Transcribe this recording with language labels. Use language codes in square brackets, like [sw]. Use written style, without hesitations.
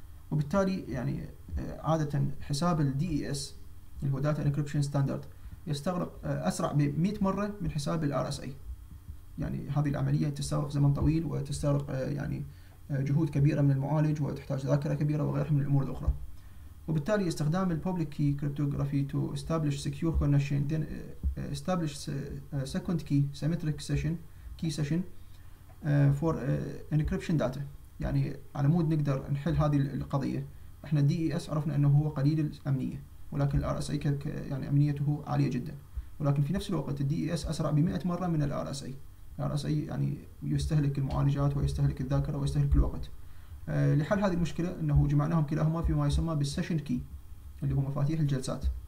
[ar] وبالتالي يعني عادة حساب الـ DES اللي هو Data Encryption Standard يستغرق أسرع ب 100 مرة من حساب الـ RSA. يعني هذه العملية تستغرق زمن طويل وتستغرق يعني جهود كبيرة من المعالج وتحتاج ذاكرة كبيرة وغيرها من الأمور الأخرى. وبالتالي استخدام الـ [en] Public Key Cryptography to establish secure connection then establish second key symmetric session key session for encryption data، [ar] يعني على مود نقدر نحل هذه القضية. احنا الـ DES عرفنا أنه هو قليل الأمنية، ولكن الـ RSA يعني أمنيته عالية جدا، ولكن في نفس الوقت الـ DES أسرع ب 100 مرة من الـ RSA. الـ RSA يعني يستهلك المعالجات ويستهلك الذاكرة ويستهلك الوقت. لحل هذه المشكلة أنه جمعناهم كلاهما فيما يسمى بالـ Session Key اللي هو مفاتيح الجلسات.